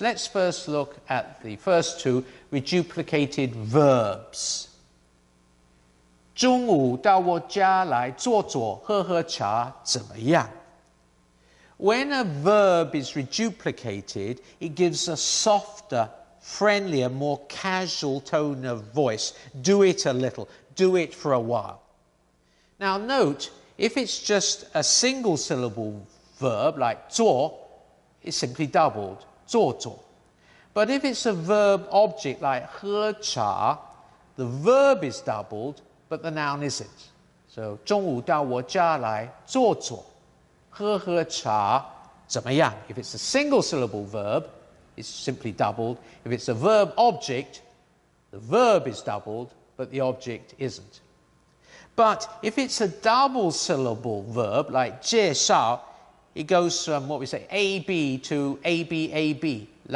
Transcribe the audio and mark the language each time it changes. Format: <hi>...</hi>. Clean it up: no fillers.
<en>Let's first look at the first two, reduplicated verbs.</en> <zh>中午到我家来坐坐喝喝茶怎么样?</zh> <en>When a verb is reduplicated, it gives a softer, friendlier, more casual tone of voice. Do it a little, do it for a while. Now note, if it's just a single syllable verb like 坐, it's simply doubled, 坐坐. But if it's a verb object like 喝茶, the verb is doubled, but the noun isn't.</en> <zh>So 中午到我家来坐坐,喝喝茶,怎么样?</zh> <en>If it's a single syllable verb, it's simply doubled. If it's a verb object, the verb is doubled, but the object isn't. But if it's a double syllable verb, like 介绍, it goes from what we say, AB to ABAB.</en>